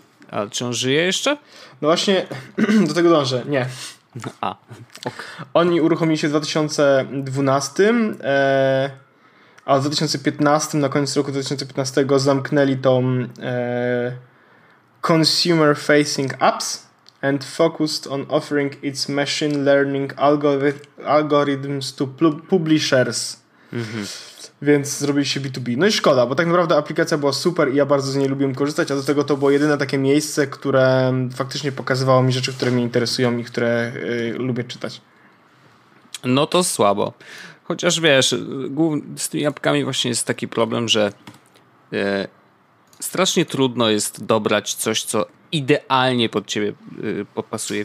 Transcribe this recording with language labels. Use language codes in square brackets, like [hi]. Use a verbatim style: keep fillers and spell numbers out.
[pl] A czy on żyje jeszcze? No właśnie, do tego dążę, nie. A. Oni uruchomili się w dwa tysiące dwunastym e, a w dwa tysiące piętnastym, na koniec roku dwa tysiące piętnastego zamknęli tą... [en] E, Consumer-facing apps and focused on offering its machine learning algorith- algorithms to pl- publishers. Mm-hmm. [pl] Więc zrobili się B dwa B. No i szkoda, bo tak naprawdę aplikacja była super i ja bardzo z niej lubiłem korzystać, a do tego to było jedyne takie miejsce, które faktycznie pokazywało mi rzeczy, które mnie interesują i które yy, lubię czytać. No to słabo. Chociaż wiesz, z tymi apkami właśnie jest taki problem, że yy, strasznie trudno jest dobrać coś, co idealnie pod ciebie y, popasuje.